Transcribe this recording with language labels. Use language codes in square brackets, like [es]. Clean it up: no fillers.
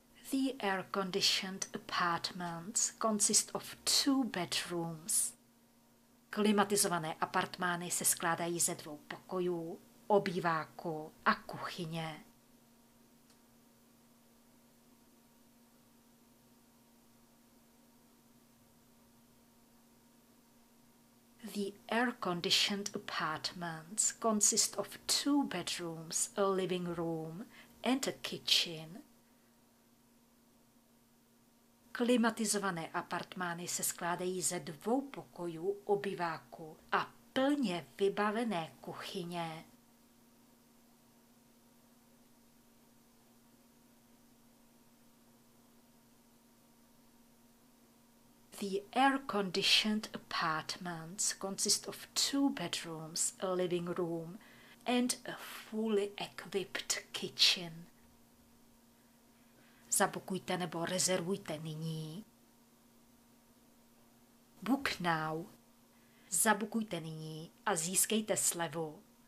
[en] The air-conditioned apartments consist of two bedrooms. [cs] Klimatizované apartmány se skládají ze dvou pokojů, obýváku a kuchyně. [en] The air-conditioned apartments consist of two bedrooms, a living room and a kitchen. [cs] Klimatizované apartmány se skládají ze dvou pokojů, obýváku a plně vybavené kuchyně. [en] The air-conditioned apartments consist of two bedrooms, a living room and a fully equipped kitchen. [cs] Zabukujte nebo rezervujte nyní. [en] Book now. [cs] Zabukujte nyní a získejte slevu.